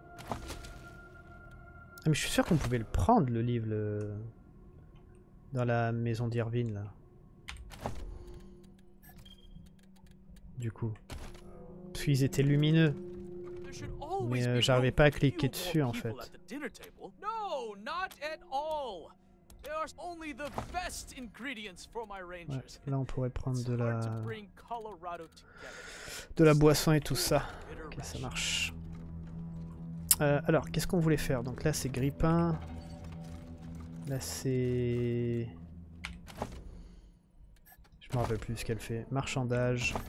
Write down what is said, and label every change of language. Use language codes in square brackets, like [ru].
[fr] Ah, mais je suis sûr qu'on pouvait le prendre, le livre, dans la maison d'Irvine, là. Du coup. Parce qu'ils étaient lumineux. Mais j'arrivais pas à cliquer dessus, en fait. Non, pas du tout. [en] They are only the best ingredients for my rangers. [fr] Ouais, là on pourrait prendre de la boisson et tout ça. Ok, ça marche. Alors, qu'est-ce qu'on voulait faire? Donc là c'est grippin. Là c'est... Je me rappelle plus ce qu'elle fait. Marchandage.